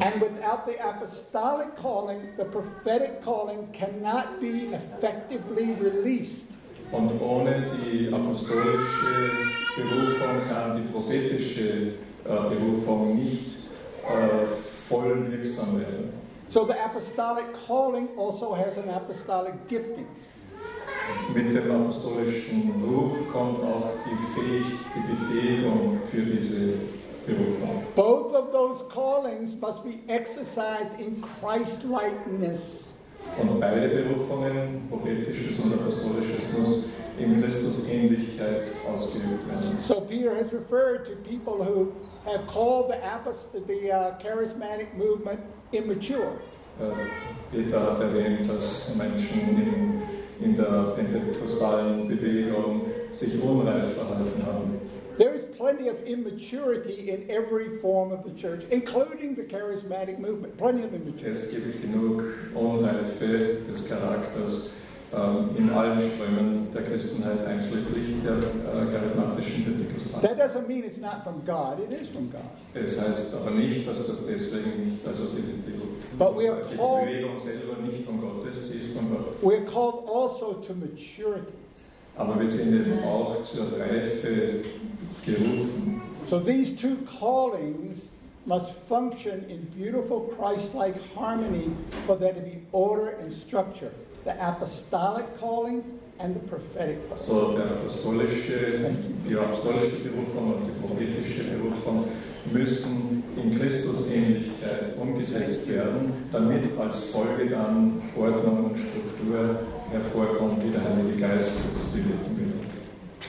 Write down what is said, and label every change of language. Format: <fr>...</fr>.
<en>And without the apostolic calling, the prophetic calling cannot be effectively released.</en> <de>Und ohne die apostolische Berufung kann die prophetische Berufung nicht voll wirksam werden.</de> <en>So the apostolic calling also has an apostolic gifting.</en> <de>Mit dem apostolischen Ruf kommt auch die Befähigung für diese Berufung.</de> <en>Both of those callings must be exercised in Christ-likeness.</en> <de>Und beide Berufungen, prophetisches und apostolisches, muss in Christus-Ähnlichkeit ausgeübt werden.</de> <en>So Peter has referred to people who have called the charismatic movement immature.</en> <de>Peter hat erwähnt, dass Menschen in der pentekostalen Bewegung sich unreif verhalten haben.</de> <en>There is plenty of immaturity in every form of the church, including the charismatic movement. Plenty of immaturity.</en> <de>Es gibt genug Unreife des Charakters in allen Strömen der Christenheit, einschließlich der charismatischen Pentekostalen.</de> <en>That doesn't mean it's not from God. It is from God.</en> <de>Es heißt aber nicht, dass das deswegen nicht, also die</de> <en>But we are called,</en> <de>die Bewegung selber nicht von Gott ist, sie ist von Gott.</de> <en>We are called also to maturity.</en> <de>Aber wir sind eben auch zur Reife gerufen.</de> <en>So these two callings must function in beautiful Christ-like harmony for there to be order and structure. The apostolic calling and the prophetic calling.</en> <de>So die apostolische Berufung und die prophetische Berufung müssen in Christusähnlichkeit umgesetzt werden, damit als Folge dann Ordnung und Struktur hervorkommt, wie der Heilige Geist es bewirken will.</de>